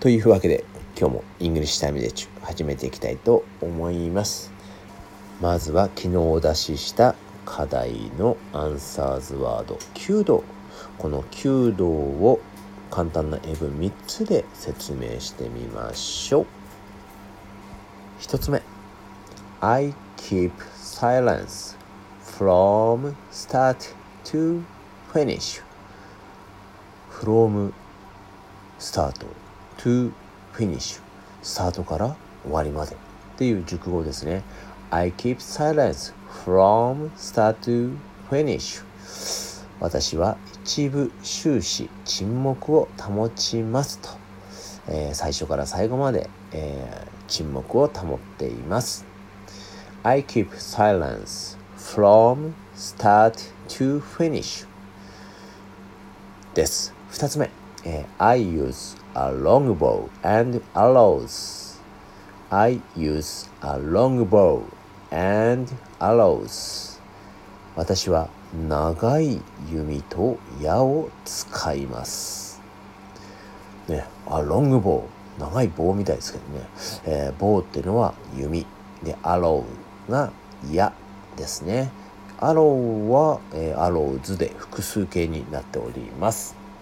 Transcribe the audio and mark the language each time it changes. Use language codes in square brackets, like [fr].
[ja] というわけで、今日もイングリッシュタイムで始めていきたいと思います。まずは昨日お出しした課題のアンサーズワード、弓道。この弓道を簡単な英文3つで説明してみましょう。 1つ目、 [en] I keep silence from start to finish. From start to finish. [ja] スタートから終わりまでっていう熟語ですね。 [en] I keep silence from start to finish. [ja] 私は一部終始沈黙を保ちますと、最初から最後まで、沈黙を保っています。 [en] I keep silence from start to finish. [ja] です。二つ目、 [en] I use a longbow and arrows. I use a longbow and arrows. [ja] 私は長い弓と矢を使います。ね、あ、ロングボウ。長い棒みたいですけどね。棒っていうのは弓。で、アローが矢ですね。アローは、アローズで複数形になっております。